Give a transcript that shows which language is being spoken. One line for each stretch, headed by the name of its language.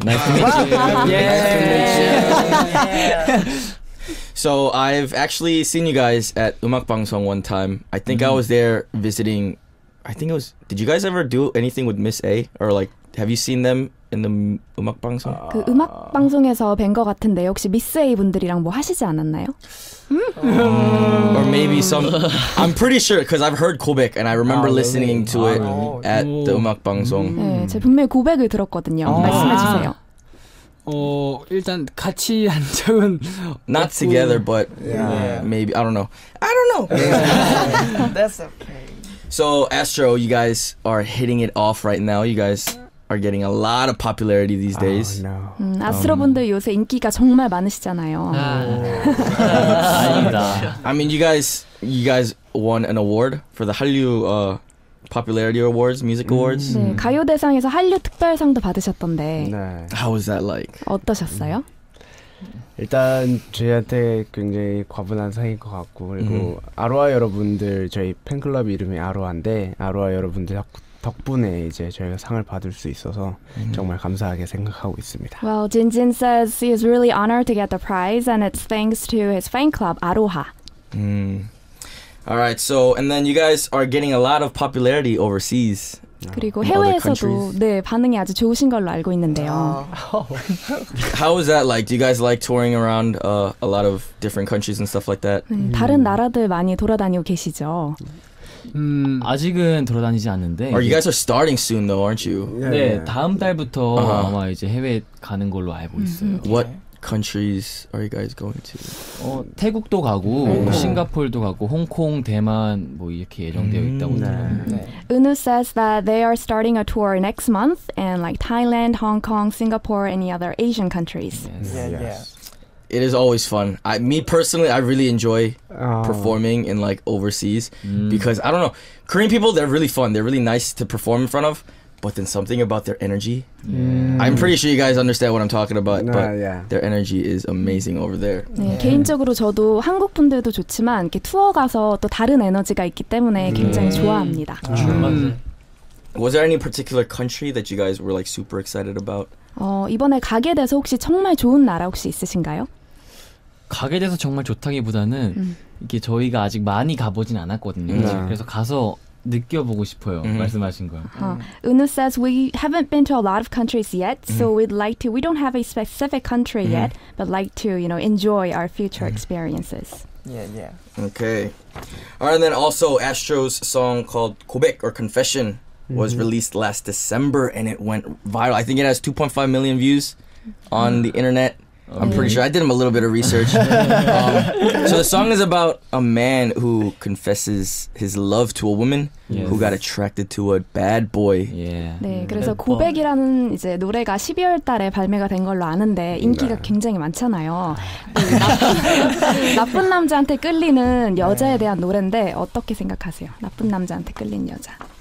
English: Nice to meet you. Yeah. Nice to meet you. So I've actually seen you guys at 음악 방송 one time. I think I was there visiting... Did you guys ever do anything with Miss A? Or like, have you seen them in the 음악 방송?
Korean: 그 음악 방송에서 뵌 것 같은데 혹시 Miss A 분들이랑 뭐 하시지 않았나요?
English: Or maybe some... I'm pretty sure, because I've heard 고백, and I remember listening to it at the 음악 방송.
Korean: 네, 제가 분명히 고백을 들었거든요. 말씀해 주세요. 일단 같이 한 적은
English: Not together, but maybe, I don't know. I don't know! That's okay. So, ASTRO, you guys are hitting it off right now. You guys are getting a lot of popularity these days. Oh, no.
Korean: 아스트로 분들 요새 인기가 정말 많으시잖아요. 아닙니다.
English: I mean, you guys won an award for the 한류 popularity awards, music awards.
Korean: 네, 가요 대상에서 한류 특별상도 받으셨던데. 네.
English: How was that like?
Korean: 어떠셨어요? 일단 저희한테 굉장히 과분한 상인 것 같고 그리고 아로하 여러분들 저희 팬클럽 이름이 아로하인데 아로하 여러분들 덕분에 이제 저희가 상을 받을 수 있어서 정말 감사하게 생각하고 있습니다.
English: Well, Jinjin says he is really honored to get the prize and it's thanks to his fan club Aroha. All right. So and then you guys are getting a lot of popularity overseas.
Korean: 그리고 해외에서도 네 반응이 아주 좋으신 걸로 알고 있는데요.
English: How is that like? Do you guys like touring around a lot of different countries and stuff like that?
Korean: 다른 나라들 많이 돌아다니고 계시죠? 아직은 돌아다니지 않는데.
English: Or you guys are starting soon though, aren't you?
Korean: 네, 다음 달부터 아마 이제 해외 가는 걸로 알고 있어요.
English: What countries are you guys going to?
Korean: 태국도 가고 싱가포르도 가고 홍콩, 대만 뭐 이렇게 예정되어 있다고 들었는데.
English: 은우 says that they are starting a tour next month in like Thailand, Hong Kong, Singapore, any other Asian countries. It is always fun. Me personally, I really enjoy performing in like overseas because I don't know, Korean people, they're really fun. They're really nice to perform in front of. But then something about their energy. I'm pretty sure you guys understand what I'm talking about. But their energy is amazing over there.
Korean: 네, 개인적으로 저도 한국 분들도 좋지만 이렇게 투어 가서 또 다른 에너지가 있기 때문에 굉장히 좋아합니다.
English: Was there any particular country that you guys were like super excited about?
Korean: 이번에 가게 돼서 혹시 정말 좋은 나라 혹시 있으신가요? 가게 돼서 정말 좋다기보다는 이게 저희가 아직 많이 가보진 않았거든요. 그래서 가서 느껴보고 싶어요. 말씀하신 거요.
English: Unu says we haven't been to a lot of countries yet, so we'd like to. We don't have a specific country yet, but like to, you know, enjoy our future experiences. Yeah, yeah. Okay. All right, and then also ASTRO's song called 고백 or Confession was released last December, and it went viral. I think it has 2.5 million views on the internet. I'm pretty sure. I did him a little bit of research. So the song is about a man who confesses his love to a woman who got attracted to a bad boy. Yeah.
Korean: 네, 그래서 고백이라는 이제 노래가 12월 달에 발매가 된 걸로 아는데 인기가 굉장히 많잖아요. 나쁜 남자한테 끌리는 여자에 대한 노래인데 어떻게 생각하세요? 나쁜 남자한테 끌린 여자.